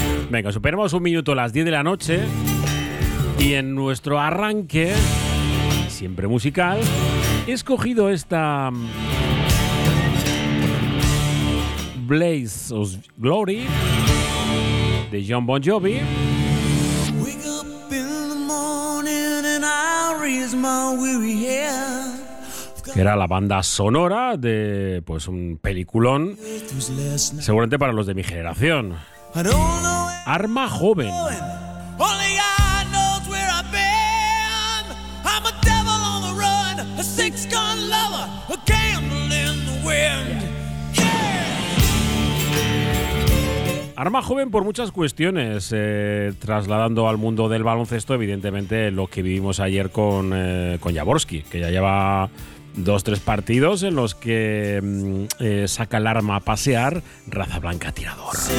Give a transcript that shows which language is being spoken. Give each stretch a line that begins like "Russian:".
Spanish: Venga, superemos un minuto a las 10 de la noche y en nuestro arranque, siempre musical, he escogido esta Blaze of Glory de Jon Bon Jovi.
English: Wake up in the morning and I'll raise my weary head.
Spanish: Que era la banda sonora de pues un peliculón, seguramente para los de mi generación. Arma joven.
English: Only God knows where I've been. I'm a devil on the run, a six-gun lover, a gamble in the wind. Yeah.
Spanish: Arma joven por muchas cuestiones, trasladando al mundo del baloncesto, evidentemente lo que vivimos ayer con Jaworski, que ya lleva 2-3 partidos en los que saca el arma a pasear, raza blanca tirador.